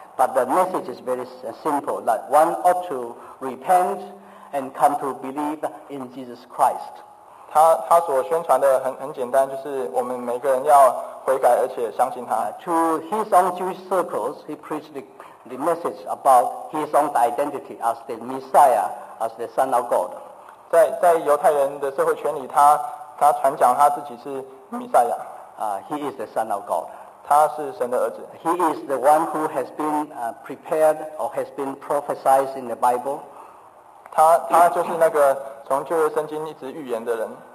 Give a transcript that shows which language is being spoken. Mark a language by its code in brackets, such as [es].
[en] But the message is very simple, that one ought to repent and come to believe in Jesus Christ. [zh] 他所宣传的很简单，就是我们每个人要悔改，而且相信他。 [en] To his own Jewish circles, he preached the message about his own identity as the Messiah, as the Son of God. [zh] 在犹太人的社会圈里，他传讲他自己是弥赛亚。 [en] He is the Son of God. [zh] 他是神的儿子。 [en] He is the one who has been prepared or has been prophesied in the Bible. [zh] 他就是那个从旧约圣经一直预言的人。